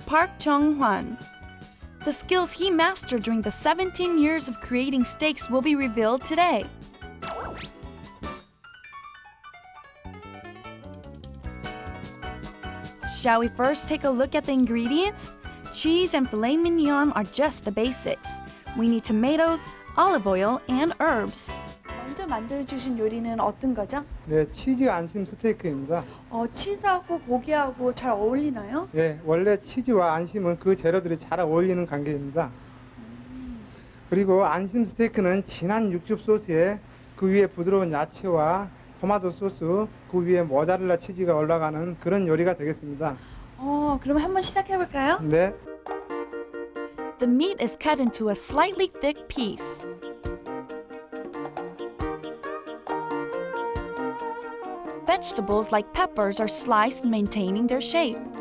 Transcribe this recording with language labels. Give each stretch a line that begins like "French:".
English: Park Chung-hwan. The skills he mastered during the 17 years of creating steaks will be revealed today. Shall we first take a look at the ingredients? Cheese and filet mignon are just the basics. We need tomatoes, olive oil, and herbs.
Korean: 먼저 만들어주신 요리는 어떤 거죠? 네, 치즈 안심 스테이크입니다. 치즈하고 고기하고 잘 어울리나요? 네, 원래 치즈와 안심은 그 재료들이 잘 어울리는 관계입니다. 그리고 안심 스테이크는 진한 육즙 소스에 그 위에 부드러운 야채와 토마토 소스, 그 위에 모짜렐라 치즈가 올라가는 그런 요리가 되겠습니다. 그럼 한번 시작해볼까요? 네.
English: The meat is cut into a slightly thick piece. Vegetables like peppers are sliced, maintaining their shape.